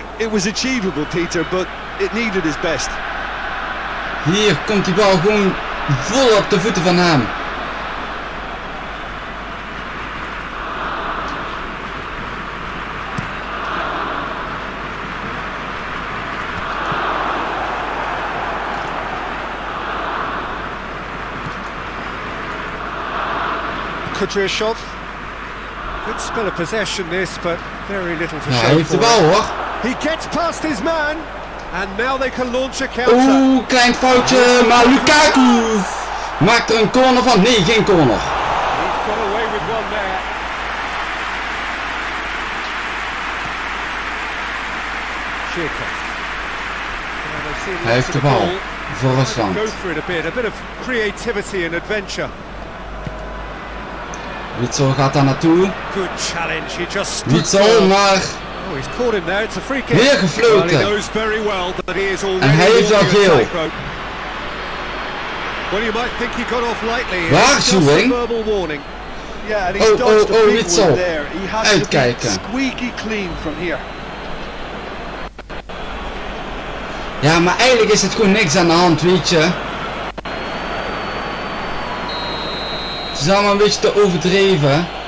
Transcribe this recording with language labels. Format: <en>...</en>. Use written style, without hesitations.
<en>It was achievable, Peter, but it needed his best.</en> <nl>Hier komt die bal gewoon vol op de voeten van hem. Kutryashov.</nl> <en>Good spell of possession this, but very little to show.</en> <nl>Hij heeft de bal hoor.</nl> <en>He gets past his man. And now they can launch a counter.</en> <nl>Oeh, klein foutje, maar Lukaku maakt er een corner van. Nee, geen corner.</nl> <en>He's got away with one there. Chirkov.</en> <nl>Hij heeft de bal voor Rusland.</nl> <en>Go for it a bit of creativity and adventure.</en> <nl>Witsel gaat daar naartoe.</nl> <en>Good challenge. He just</en> <nl>Witsel, maar</nl> <en>oh, he's caught him there. It's a free kick.</en> <nl>Weer gefloten.</nl> <en>Well,</en> <nl>en hij heeft al geel.</nl> <en>Well, you might think he got off lightly.</en> <nl>Waarschuwing.</nl> <en>Yeah,</en> <nl>oh, Witsel. Uitkijken.</nl> <en>Squeaky clean from here.</en> <nl>Ja, maar eigenlijk is het gewoon niks aan de hand, weet je. Het is allemaal een beetje te overdreven.</nl>